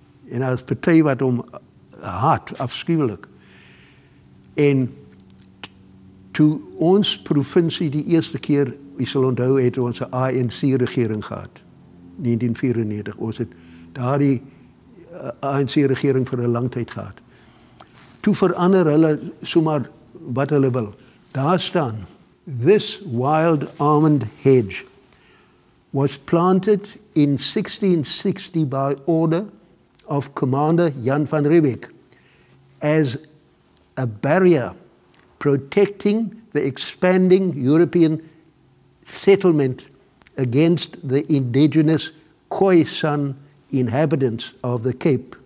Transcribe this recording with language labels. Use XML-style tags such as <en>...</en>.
<af>En as partij wat om haat, afschuwelijk. En toe ons provinsie die eerste keer, jy sal onthou, het ons 'n ANC regering gehad, 1994, ons het daar die ANC regering vir 'n lang tyd gehad. Toe verander hulle sommer wat hulle wil. Daar staan,</af> <en>this wild almond hedge was planted in 1660 by order of Commander Jan van Riebeeck as a barrier protecting the expanding European settlement against the indigenous Khoisan inhabitants of the Cape.</en>